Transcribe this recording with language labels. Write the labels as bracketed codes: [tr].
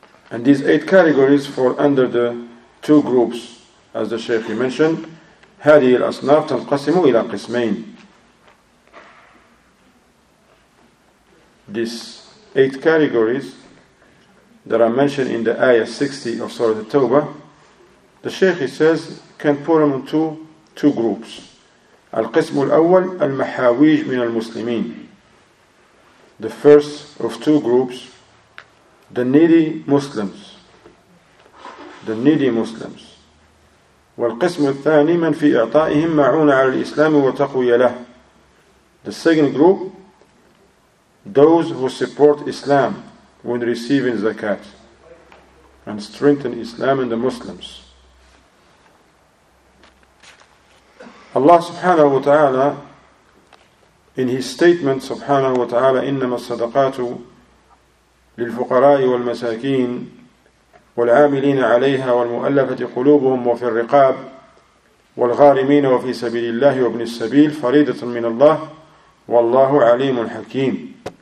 [en] And these 8 categories fall under the 2 groups, as the Shaykh mentioned, [ar] هذه الأصناف تنقسم إلى قسمين. [en] These 8 categories that are mentioned in the ayah 60 of Surah At-Tawbah, the Shaykh, he says, can put them into 2 groups. [ar] القسم الأول المحاويج من المسلمين. [en] The first of 2 groups, the needy Muslims. The needy Muslims. [ar] والقسم الثاني من في إعطائهم معونة على الإسلام وتقوية له. [en] The second group, those who support Islam when receiving zakat and strengthen Islam and the Muslims. Allah subhanahu wa ta'ala, [ar] in his statement subhanahu wa ta'ala, إنما الصدقات للفقراء والمساكين والعاملين عليها والمؤلفة قلوبهم وفي الرقاب والغارمين وفي سبيل الله وابن السبيل فريضة من الله والله عليم حكيم.